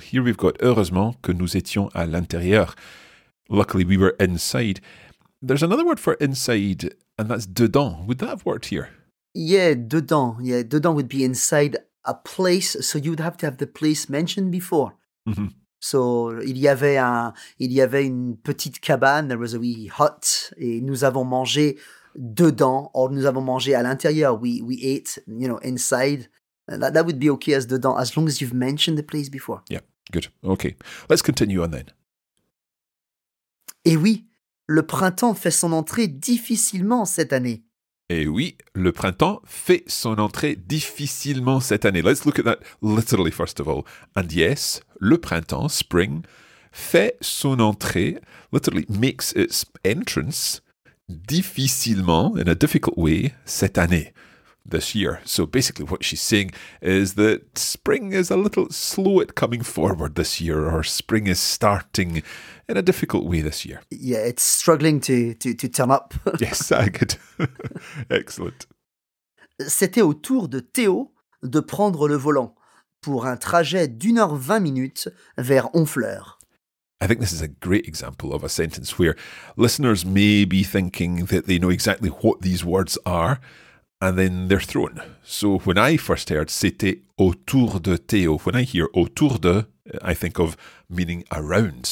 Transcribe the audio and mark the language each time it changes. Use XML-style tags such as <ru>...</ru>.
<en>Here we've got</en> <fr>heureusement que nous étions à l'intérieur.</fr> <en>Luckily, we were inside. There's another word for inside, and that's dedans. Would that have worked here? Yeah, dedans. Yeah, dedans would be inside a place, so you would have to have the place mentioned before.</en> <fr>Mm-hmm. So, il y avait une petite cabane,</fr> <en>there was a wee hut,</en> <fr>et nous avons mangé dedans, or nous avons mangé à l'intérieur,</fr> <en>we ate, you know, inside. That would be okay as dedans, as long as you've mentioned the place before. Yeah, good. Okay, let's continue on then.</en> <fr>Et oui, le printemps fait son entrée difficilement cette année. Et oui, le printemps fait son entrée difficilement cette année.</fr> <en>Let's look at that literally first of all. And yes,</en> <fr>le printemps,</fr> <en>spring,</en> <fr>fait son entrée,</fr> <en>literally makes its entrance difficilement, in a difficult way,</en> <fr>cette année,</fr> <en>this year. So basically what she's saying is that spring is a little slow at coming forward this year, or spring is starting in a difficult way this year. Yeah, it's struggling to turn up. Yes, I could. Excellent.</en> <fr>C'était au tour de Théo de prendre le volant pour un trajet d'1h20 vers Honfleur.</fr> <en>I think this is a great example of a sentence where listeners may be thinking that they know exactly what these words are, and then they're thrown. So when I first heard</en> <fr>c'était autour de Théo,</fr> <en>when I hear</en> <fr>autour de,</fr> <en>I think of meaning around.</en>